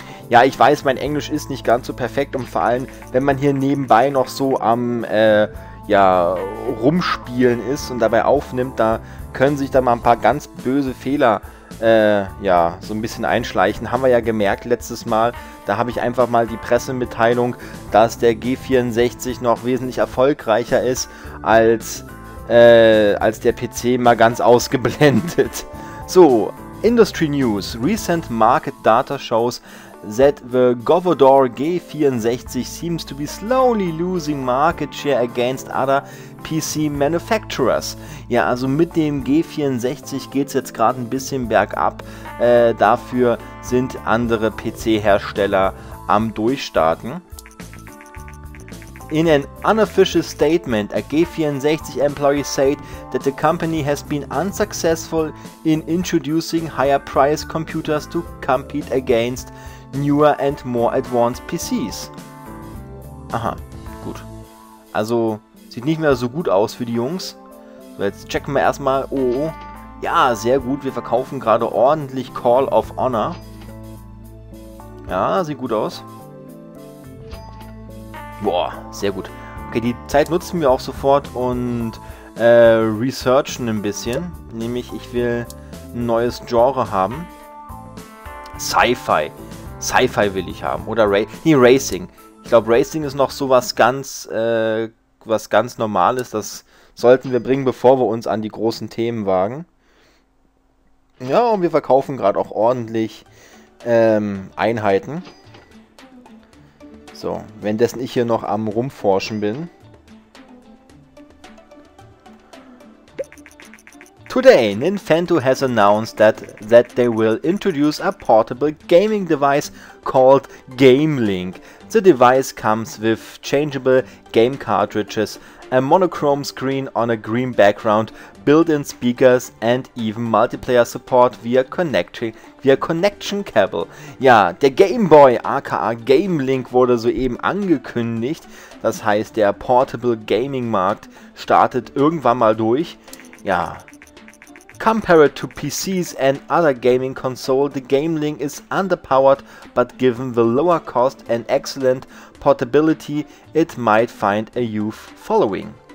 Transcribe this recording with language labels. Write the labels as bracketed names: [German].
[German] Ja, ich weiß, mein Englisch ist nicht ganz so perfekt. Und vor allem, wenn man hier nebenbei noch so am rumspielen ist und dabei aufnimmt, da können sich da mal ein paar ganz böse Fehler so ein bisschen einschleichen. Haben wir ja gemerkt letztes Mal. Da habe ich einfach mal die Pressemitteilung, dass der G64 noch wesentlich erfolgreicher ist als der PC, mal ganz ausgeblendet. [English] So, Industry News. Recent Market Data shows that the Govador G64 seems to be slowly losing market share against other PC manufacturers. [German] Ja, also mit dem G64 geht es jetzt gerade ein bisschen bergab. Dafür sind andere PC-Hersteller am Durchstarten. [English] In an unofficial statement, a G64 employee said that the company has been unsuccessful in introducing higher price computers to compete against newer and more advanced PCs. [German] Aha, gut. Also, sieht nicht mehr so gut aus für die Jungs. So, jetzt checken wir erstmal. Oh, ja, sehr gut. Wir verkaufen gerade ordentlich Call of Honor. Ja, sieht gut aus. Boah, sehr gut. Okay, die Zeit nutzen wir auch sofort und researchen ein bisschen. Nämlich, ich will ein neues Genre haben. Sci-Fi. Sci-Fi will ich haben. Oder Racing. Ich glaube, Racing ist noch sowas ganz Normales. Das sollten wir bringen, bevor wir uns an die großen Themen wagen. Ja, und wir verkaufen gerade auch ordentlich Einheiten. So, währenddessen ich hier noch am Rumforschen bin. [English] Today, Nintendo has announced that they will introduce a portable gaming device called Game Link. The device comes with changeable game cartridges, a monochrome screen on a green background, built-in speakers and even multiplayer support via connection cable. [German] Ja, der Game Boy aka Game Link wurde soeben angekündigt. Das heißt, der Portable Gaming Markt startet irgendwann mal durch. Ja. [English] Compared to PCs and other gaming consoles, the Game Link is underpowered, but given the lower cost and excellent portability, it might find a huge following.